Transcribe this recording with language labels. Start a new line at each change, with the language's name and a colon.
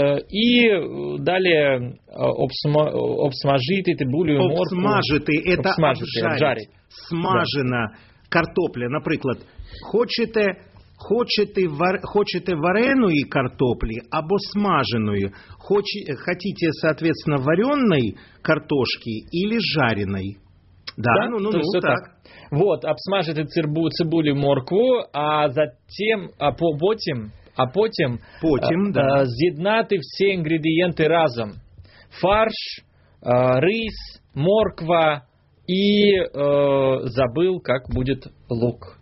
Ukrainian: І далі обсмажити цибулю і морку. Обсмажити –
Russian: это обжарить.
Ukrainian: Смажена, да. Картопля, наприклад. Хочете Хочете вареної картоплі або смаженої?
Russian: Хотите, соответственно,
Ukrainian: вареної
Russian: картошки или жареной? Да, да, ну так.
Ukrainian: Вот, обсмажете цибулю, моркву,
Russian: а затем,
Ukrainian: а потім, з'єднати всі інгредієнти разом. Фарш, рис, морква і
Russian: забыл,
Ukrainian: як буде лук.